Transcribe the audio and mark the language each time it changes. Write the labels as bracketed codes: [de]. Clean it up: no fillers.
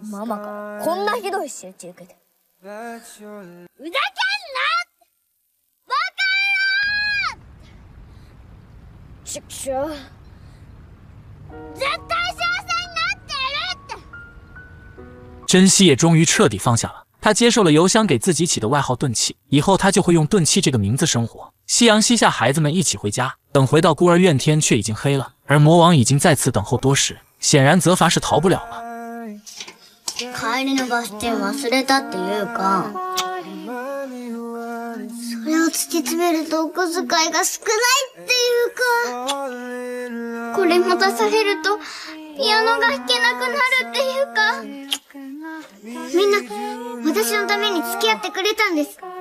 [ja] ママからこんなひどい仕打ち受けて。ふざけんな！バカ野郎！ちくしょう。絶対幸せになってやるって。 [zh] 珍惜也终于彻底放下了。他接受了邮箱给自己起的外号顿气，以后他就会用顿气这个名字生活。夕阳西下，孩子们一起回家。等回到孤儿院，天却已经黑了，而魔王已经再次等候多时，显然责罚是逃不了了。 [ja] 帰りのバス停忘れたっていうか、それを突き詰めるとお小遣いが少ないっていうか、これも出されるとピアノが弾けなくなるっていうか、みんな私のために付き合ってくれたんです。